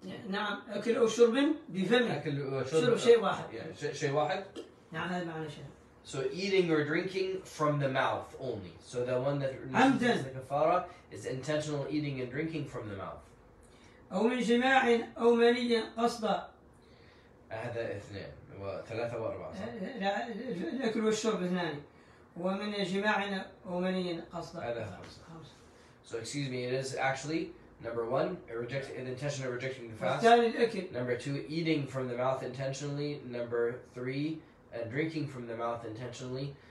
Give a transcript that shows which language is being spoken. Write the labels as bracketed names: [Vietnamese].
[Arabic] نعم أكل أو شرب بفمي أكل شرب شيء واحد شيء واحد نعم هذا معنى شيء. [English] So eating or drinking from the mouth only. So the one that receives the kafara is intentional eating and drinking from the mouth. [Arabic] أو من جماع أو مني قصدا. هذا اثنين وثلاثة وأربعة. لا الأكل والشرب اثنان ومن جماع أو مني قصدا. هذا خمسة. [English] So excuse me, it is actually. Number one, an intention of rejecting the fast. Number two, eating from the mouth intentionally. Number three, drinking from the mouth intentionally.